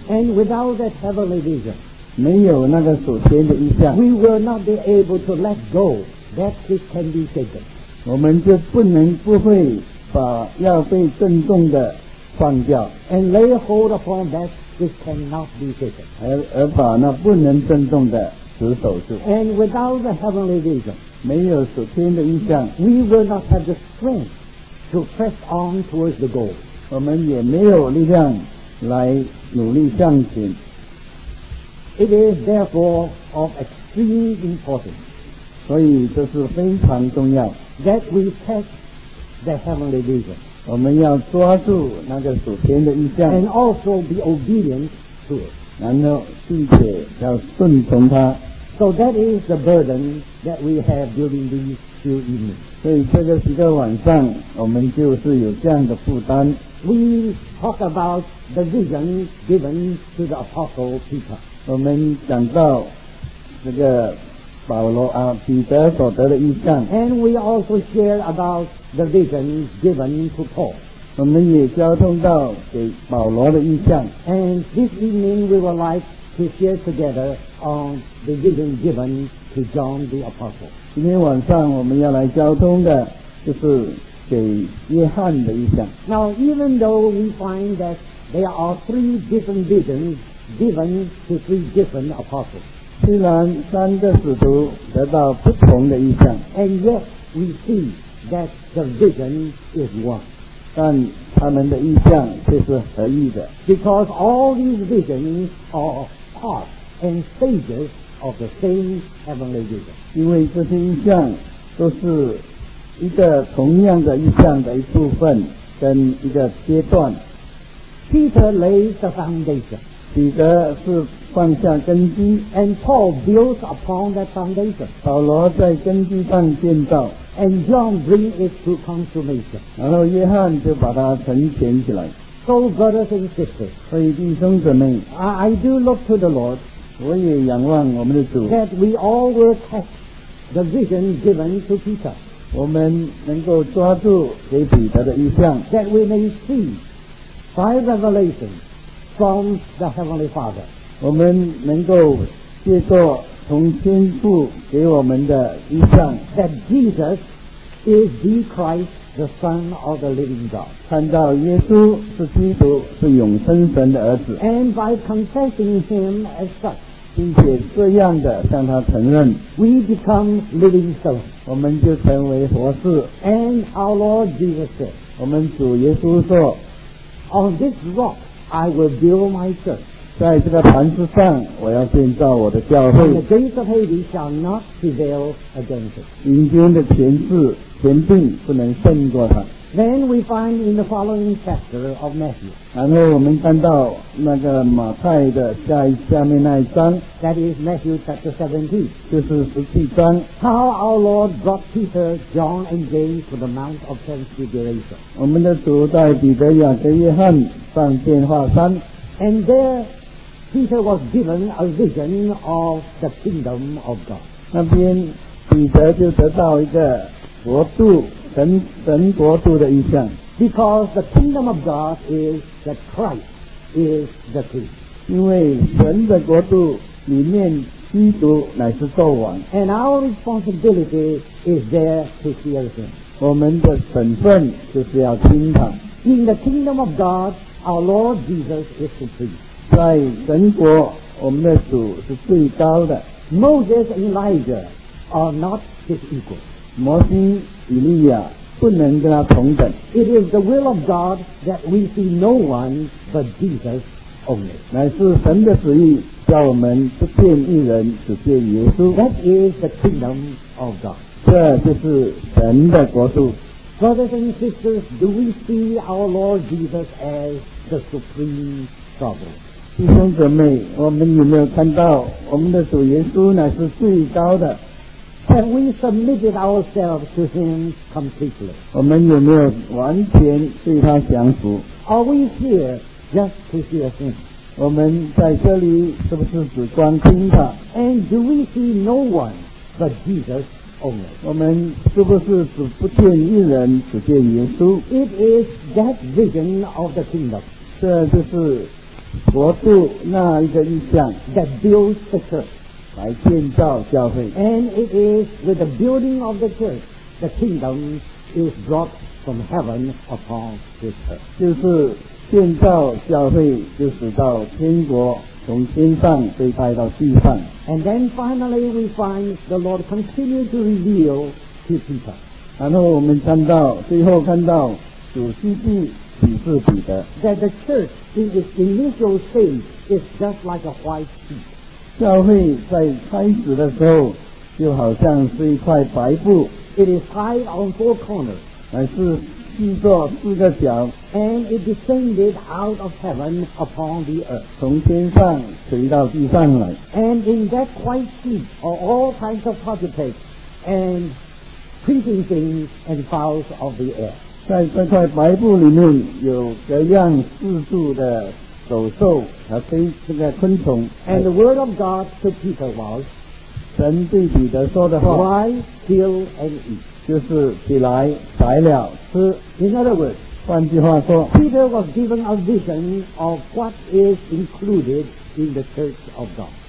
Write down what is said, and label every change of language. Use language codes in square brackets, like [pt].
[en] and without that heavenly vision [zh] 没有那个所见的意象 [en] we will not be able to let go that which can be shaken [zh] 我们就不能不会把要被震动的放掉 [en] and lay hold upon that which cannot be shaken [zh] 而把那不能震动的持守住 [en] and without the heavenly vision [zh] 没有属天的意象 [en] We will not have the strength to press on towards the goal [zh] 我们也没有力量来努力向前 [en] It is therefore of extreme importance [zh] 所以这是非常重要 [en] That we catch the heavenly vision [zh] 我们要抓住那个属天的意象 [en] And also be obedient to it [zh] 然后并且要顺从它 [en] So that is the burden that we have during these few evenings. [zh] 所以这个几个晚上我们就是有这样的负担。 [en] We talk about the vision given to the Apostle Peter. [zh] 我们讲到这个保罗啊彼得所得的意象。 [en] And we also share about the vision given to Paul. [zh] 我们也交通到给保罗的意象。 [en] And this evening we would like to share together on the vision given to John the Apostle. [zh] 今天晚上我们要来交通的就是给约翰的意象。 [en] Now, even though we find that There are three different visions given to three different apostles. [zh] 虽然三个使徒得到不同的意象， [en] and yet we see that the vision is one. [zh] 但他们的意象却是合一的。 [en] Because all these visions are part and stages of the same heavenly vision. [zh] 因为这些意象都是一个同样的意象的一部分跟一个阶段。 [en] Peter lays the foundation. [zh] 彼得是放下根基。 [en] And Paul builds upon that foundation. [zh] 保罗在根基上建造。 [en] And John brings it to consummation. [zh] 然后约翰就把它成全起来。 [en] So brothers and sisters, [zh] 所以弟兄姊妹， [en] I do look to the Lord, [zh] 我也仰望我们的主， [en] that we all will catch the vision given to Peter. [zh] 我们能够抓住给彼得的意象， [en] that we may see by revelation from the Heavenly Father. [zh] 我们能够接受从天父给我们的意象， [en] that Jesus is the Christ, the Son of the Living God. [zh] 看到耶稣是基督，是永生神的儿子。 [en] And by confessing him as such, [zh] 并且这样的向他承认， [en] We become living stones. [zh] 我们就成为活士。 [en] And our Lord Jesus said, [zh] 我们主耶稣说， [en] On this rock I will build my church. [zh] 在这个磐石上我要建造我的教会。 [en] And the gates of Hades shall not prevail against it. [zh] 阴间的权势权柄不能胜过它。 [en] Then we find in the following chapter of Matthew. [zh] 然后我们看到那个马太的下面那一章， [en] that is Matthew chapter 17. [zh] 就是十七章。 [en] How our Lord brought Peter, John, and James to the Mount of Transfiguration. [zh] 我们的主带彼得、雅各、约翰上变化山。 [en] And there, Peter was given a vision of the kingdom of God. [zh] 那边彼得就得到一个国度。神国度的意象， [en] because the kingdom of God is that Christ is the king. [zh] 因为神的国度里面基督乃是作王。 [en] And our responsibility is there to hear him. [zh] 我们的本分就是要听他。 [en] In the kingdom of God, our Lord Jesus is supreme. [zh] 在神国，我们的主是最高的。 [en] Moses and Elijah are not his equals. [zh] 摩西、以利亚不能跟他同等。 [en] It is the will of God that we see no one but Jesus only. [zh] 乃是神的旨意，叫我们不见一人，只见耶稣。 [en] That is the kingdom of God. [zh] 这就是神的国度。 [en] Brothers and sisters, do we see our Lord Jesus as the supreme sovereign? [zh] 弟兄姊妹，我们有没有看到我们的主耶稣乃是最高的？ [en] Have we submitted ourselves to him completely? [zh] 我们有没有完全对他降服？ [en] Are we here just to hear him? [zh] 我们在这里是不是只光听他？ [en] And do we see no one but Jesus only? [zh] 我们是不是只不见一人，只见耶稣？ [en] It is that vision of the kingdom. [zh] 这就是国度那一个意象。 [en] That builds the church. [zh] 来建造教会。 [en] And it is with the building of the church, the kingdom is brought from heaven upon this earth. [zh] 就是建造教会，就使到天国从天上被带到地上。 [en] And then finally we find the Lord continue to reveal to Peter. [zh] 然后我们看到，最后看到主基督启示彼得。 [en] That the church in its initial stage is just like a white sheet. [zh] 教会在开始的时候就好像是一块白布。 [en] It is high on four corners. [zh] 乃是四座四个角。 [en] And it descended out of heaven upon the earth. [zh] 从天上垂到地上来。 [en] And in that white sheet are all kinds of prophets and creeping things and fowls of the air. [zh] 在这块白布里面有各样四处的走兽和飞这个昆虫。 [en] And the word of God to Peter was, [zh] 神对彼得说的话， [en] Why kill and eat? [zh] 就是起来宰了吃。 [en] In other words, [zh] 换句话说， [en] Peter was given a vision of what is included in the church of God.